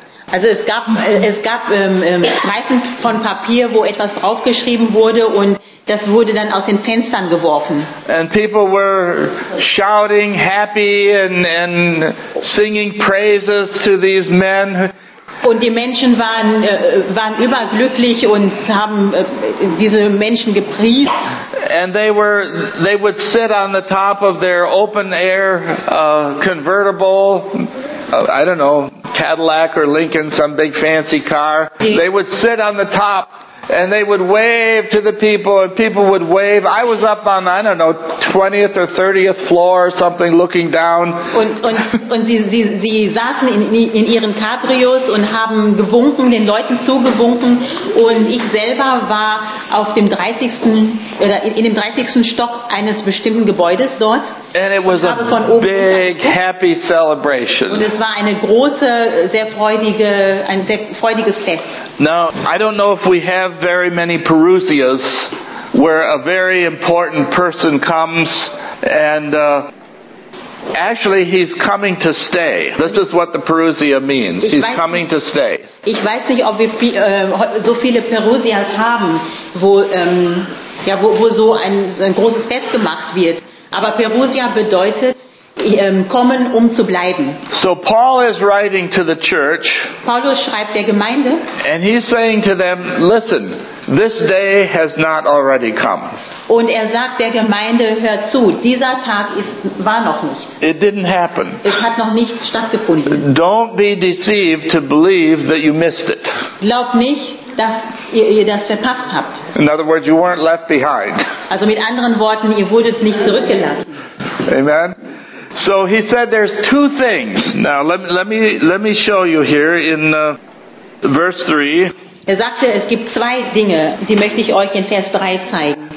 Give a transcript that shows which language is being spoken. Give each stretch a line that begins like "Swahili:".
German: Also es gab Streifen von Papier, wo etwas draufgeschrieben wurde und das wurde dann aus den Fenstern geworfen.
English: And people were shouting happy and singing praises to these men.
German: Und die Menschen waren überglücklich und haben diese Menschen gepriesen.
English: And they would sit on the top of their open air convertible. I don't know, Cadillac or Lincoln, some big fancy car. They would sit on the top and they would wave to the people and people would wave. I was up on, I don't know, 20th or 30th floor or something looking down.
German: Und sie saßen in ihren Cabrios und haben gewunken, den Leuten zugewunken und ich selber war auf dem 30. oder in dem 30. Stock eines bestimmten Gebäudes dort.
English: And it was a big, happy celebration.
German: Und es war eine große, ein sehr freudiges Fest.
English: Now, I don't know if we have very many parousias where a very important person comes and actually he's coming to stay. This is what the parousia means. He's coming to stay.
German: Ich weiß nicht, ob wir so viele Parousias haben, wo so ein großes Fest gemacht wird. Aber Parousia bedeutet kommen, um zu bleiben.
English: So Paul is writing to the church.
German: Paulus schreibt der Gemeinde.
English: And he's saying to them, listen, this day has not already come.
German: Und sagt der Gemeinde, hör zu, dieser Tag war noch nicht.
English: It didn't happen.
German: Es hat noch nichts stattgefunden.
English: Don't be deceived to believe that you missed it.
German: Glaub nicht, dass ihr das verpasst habt.
English: In other words, you weren't left behind.
German: Also mit anderen Worten, ihr wurdet nicht zurückgelassen.
English: Amen. So he said there's two things. Now let me show you here in verse 3.
German: Er sagte, es gibt zwei Dinge, die möchte ich euch in Vers 3 zeigen.